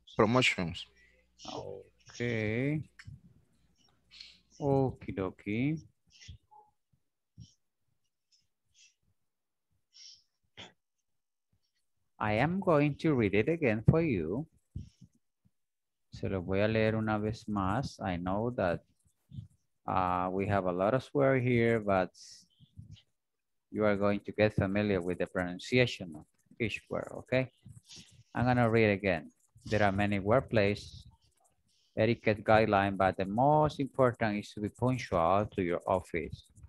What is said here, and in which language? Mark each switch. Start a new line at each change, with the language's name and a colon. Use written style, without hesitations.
English: Okay. Okie dokie. I am going to read it again for you.
Spanish: Se lo voy a leer una vez más.
English: I know that we have a lot of swear here, but you are going to get familiar with the pronunciation of each word, okay? I'm gonna read again. There are many workplace etiquette guidelines, but the most important is to be punctual to your office.